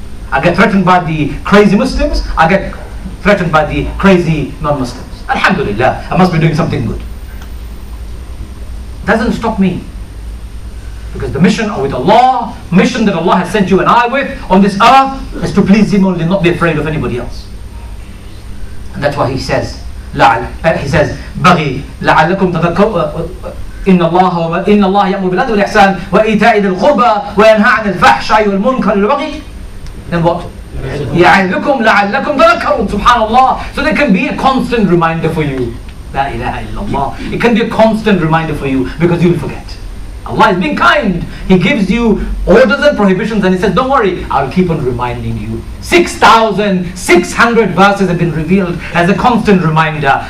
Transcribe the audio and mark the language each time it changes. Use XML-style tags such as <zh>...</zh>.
<en>I get threatened by the crazy Muslims, I get threatened by the crazy non-Muslims. Alhamdulillah, I must be doing something good. Doesn't stop me. Because the mission with Allah, mission that Allah has sent you and I with on this earth, is to please Him only, not be afraid of anybody else. And that's why He says,</en> <ar>بَغِي لَعَلَّكُمْ تَذَكَّرُونَ إِنَّ اللَّهَ يَأْمُرُ بِالْعَدْلِ وَالْإِحْسَانِ وَإِيتَاءِ ذِي الْقُرْبَى وَيَنْهَى عَنِ الْفَحْشَاءِ وَالْمُنكَرِ وَالْبَغْيِ.</ar> <en>Then what?</en> <ar>يَعِلُّكُمْ لَعَلَّكُمْ تَذَكَّرُونَ. Subhanallah.</ar> <en>So there can be a constant reminder for you. La ilaha illallah. It can be a constant reminder for you because you'll forget. Allah is being kind. He gives you orders and prohibitions and He says, don't worry, I'll keep on reminding you. 6,600 verses have been revealed as a constant reminder.</en>